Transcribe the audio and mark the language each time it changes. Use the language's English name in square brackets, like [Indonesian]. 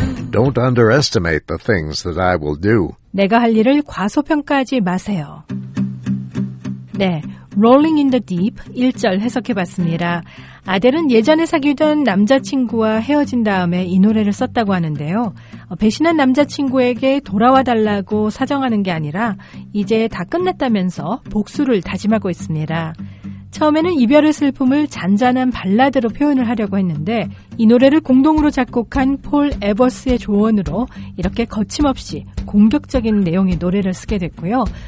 [English] Don't underestimate the things that I will do. [Korean] 내가 할 일을 과소평가하지 마세요. 네, Rolling in the Deep 1절 해석해봤습니다. 아델은 예전에 사귀던 남자친구와 헤어진 다음에 이 노래를 썼다고 하는데요. 배신한 남자친구에게 돌아와달라고 사정하는 게 아니라 이제 다 끝났다면서 복수를 다짐하고 있습니다. 처음에는 이별의 슬픔을 잔잔한 발라드로 표현을 하려고 했는데 이 노래를 공동으로 작곡한 폴 에버스의 조언으로 이렇게 거침없이 공격적인 내용의 노래를 쓰게 됐고요.